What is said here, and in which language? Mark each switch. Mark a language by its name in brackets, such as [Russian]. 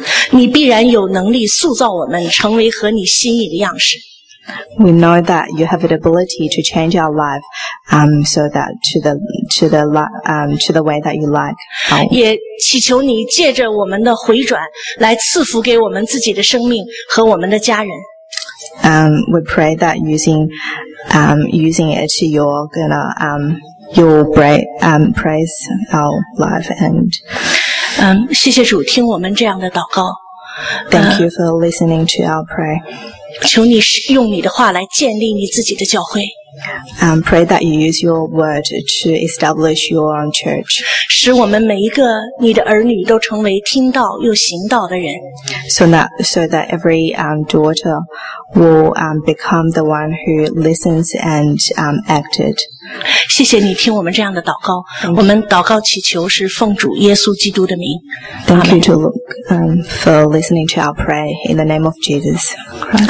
[Chinese] 你必然有能力塑造我们成为合你心意的样式。 [English] We know that you have the ability to change our life, so that to the way that you like. [Chinese] 也祈求你借着我们的回转，来赐福给我们自己的生命和我们的家人。 [English] We pray that using it, you're gonna you'll break praise our life and. [Chinese] 谢谢主听我们这样的祷告。 [English] Thank you for listening to our prayer. [Chinese] 求你用你的话来建立你自己的教会。 [English] Pray that you use your word to establish your own church. [Chinese] 使我们每一个你的儿女都成为听道又行道的人。 [English] So that every daughter will become the one who listens and acted. [Chinese] 谢谢你听我们这样的祷告。我们祷告祈求是奉主耶稣基督的名。 [English] Thank you to look for listening to our prayer in the name of Jesus Christ.